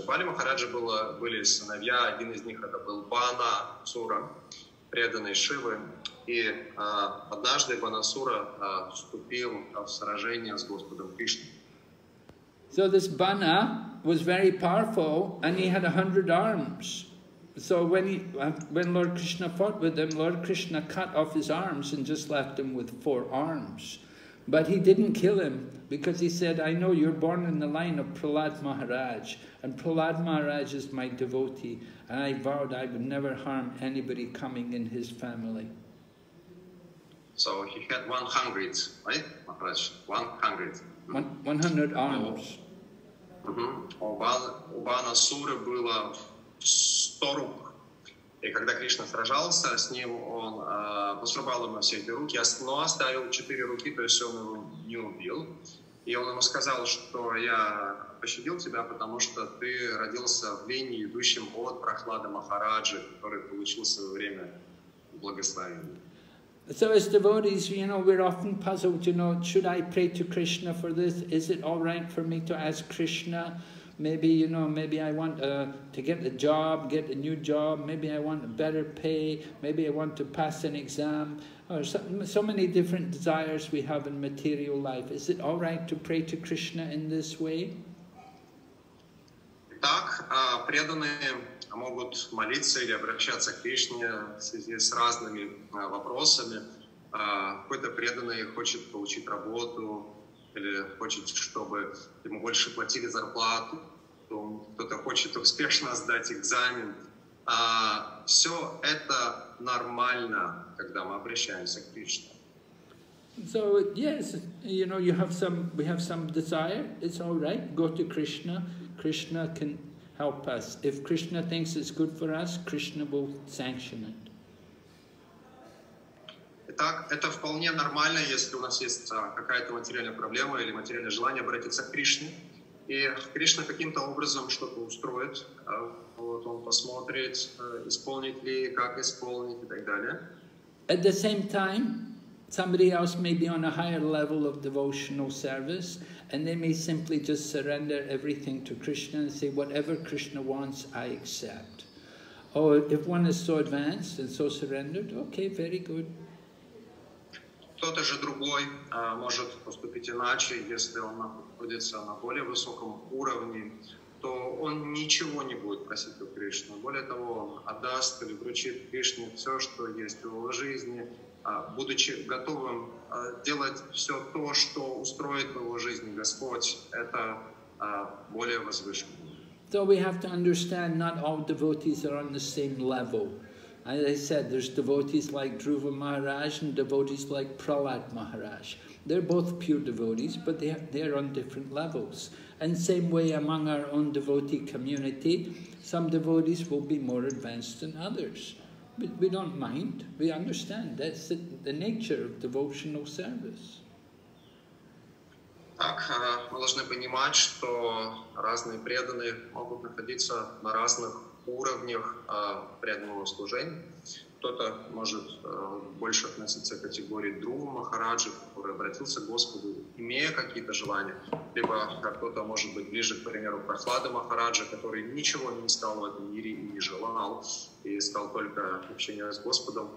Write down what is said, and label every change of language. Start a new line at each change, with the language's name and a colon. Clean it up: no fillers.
Russian: У Бали Махараджа были сыновья, один из них это был Бана Сура, преданный Шивы. И однажды Бана Сура вступил в сражение с Господом Кришной.
English: So this Bana was very powerful and he had 100 arms. So when Lord Krishna fought with him, Lord Krishna cut off his arms and just left him with 4 arms. But he didn't kill him because he said, I know you're born in the line of Prahlad Maharaj, and Prahlad Maharaj is my devotee, and I vowed I would never harm anybody coming in his family. So he had 100, right? 100 arms.
Russian: У Бана Сура было 100 рук. И когда Кришна сражался с ним, он посрубал ему все эти руки, но оставил 4 руки, то есть он его не убил. И он ему сказал, что я пощадил тебя, потому что ты родился в линии, идущем от Прохлады Махараджи, который получил в свое время благословение.
English: So as devotees, you know, we're often puzzled, you know, should I pray to Krishna for this? Is it all right for me to ask Krishna? Maybe, you know, maybe I want to get a job, get a new job. Maybe I want a better pay. Maybe I want to pass an exam. Or so many different desires we have in material life. Is it all right to pray to Krishna in this way?
Russian: Итак, преданные могут молиться или обращаться к Кришне в связи с разными вопросами. Какой-то преданный хочет получить работу или хочет, чтобы ему больше платили зарплату, кто-то хочет успешно сдать экзамен. Все это нормально, когда мы обращаемся к Кришне.
English: So, yes, you know, we have some desire, it's all right, go to Krishna. Krishna can help us. If Krishna thinks it's good for us, Krishna will sanction it.
Russian: Итак, это вполне нормально, если у нас есть какая-то материальная проблема или материальное желание обратиться к Кришне. И Кришна каким-то образом что-то устроит. Вот он посмотрит, исполнит ли, как исполнить и так далее.
English: At the same time, somebody else may be on a higher level of devotional service, and they may simply just surrender everything to Krishna and say, whatever Krishna wants, I accept. Oh, if one is so advanced and so surrendered, okay, very good.
Russian: Кто-то же другой может поступить иначе, если он находится на более высоком уровне, то он ничего не будет просить у Кришны. Более того, он отдаст или вручит Кришне все, что есть в его жизни, будучи готовым делать все то, что устроит в его жизни Господь, это более возвышенное.
English: So we have to understand, not all devotees are on the same level. As I said, there's devotees like Dhruva Maharaj and devotees like Prahlad Maharaj. They're both pure devotees, but they're on different levels. And same way among our own devotee community, some devotees will be more advanced than others. We don't mind, we understand, that's the nature of devotional service.
Russian: Так, мы должны понимать, что разные преданные могут находиться на разных уровнях преданного служения. Кто-то может больше относиться к категории Друва Махараджи, который обратился к Господу, имея какие-то желания, либо кто-то может быть ближе, к примеру, к Прохлады Махараджи, который ничего не искал в этом мире и не желал, и искал только общение с Господом.